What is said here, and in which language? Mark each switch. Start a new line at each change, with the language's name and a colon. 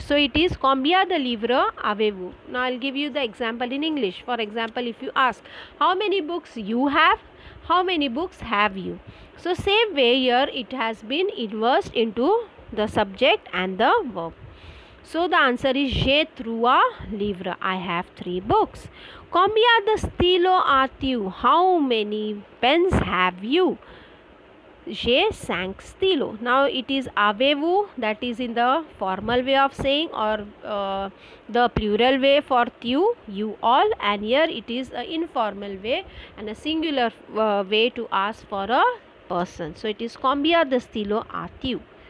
English: So it is
French: combien de livres avez-vous.
English: Now I'll give you the example in English. For example, if you ask how many books you have, how many books have you? So same way here it has been inversed into the subject and the verb. So the answer is
French: j'ai trois livres,
English: I have three books.
French: Combien de stylos as-tu,
English: how many pens have you?
French: J'ai cinq stylos.
English: Now it is avez-vous, that is in the formal way of saying, or the plural way for tu, you all, and here it is an informal way and a singular way to ask for a person. So it is
French: combien de stylos as-tu.